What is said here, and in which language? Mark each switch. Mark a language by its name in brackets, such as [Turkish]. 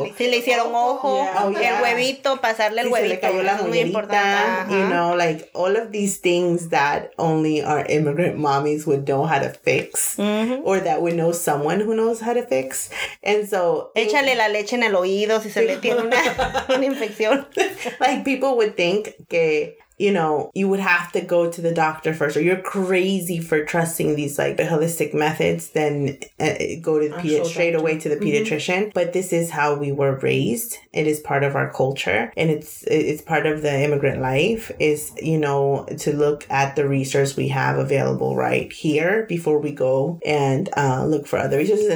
[Spanish] Si le hicieron ojo, el huevito, pasarle el huevito. Si le cayó la muñerita. [English] You know, like, all of these things that only our immigrant mommies would know how to fix, or that we know someone who knows how to fix. And so, [Spanish] échale la leche en el oído si se le tiene una infección. [English] Like, people would think que, you know, you would have to go to the doctor first, or you're crazy for trusting these like the holistic methods, then go to the straight away to the pediatrician. Mm-hmm. But this is how we were raised. It is part of our culture, and it's part of the immigrant life, is, you know, to look at the resource we have available right here before we go and look for other resources.